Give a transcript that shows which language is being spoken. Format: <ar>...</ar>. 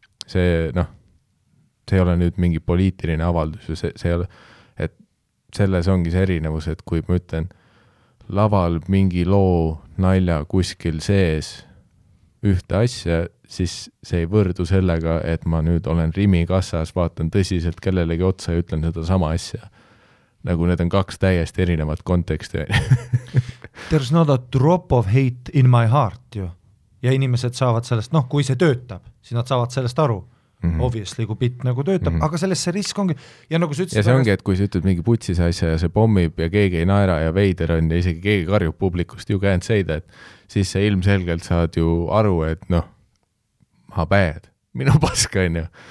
<et>See, noh, see ei ole nüüd mingi poliitiline avaldus, see ei ole, et selles ongi see erinevus, et kui ma ütlen, laval mingi loo nalja kuskil sees ühte asja, siis see ei võrdu sellega, et ma nüüd olen Rimi kassas, vaatan tõsiselt kellelegi otsa ja ütlen seda sama asja. Nagu need on kaks täiesti erinevat konteksti.</et> <en>There's not a drop of hate in my heart, ju.</en> <et>Ja inimesed saavad sellest, noh, kui see töötab, siis nad saavad sellest aru. Mm-hmm. Obviously, kui pitt nagu töötab, mm-hmm. aga selles see risk ongi. Ja, nagu ja see ongi, et kui sa ütled mingi putsis asja ja see pommib ja keegi ei naera ja veider on ja isegi keegi karjub publikust,</et> <en>you can't say that,</en> <et>siis sa ilmselgelt saad ju aru, et noh,</et> <en>ma bad,</en> <et>minu paska on ju.</et>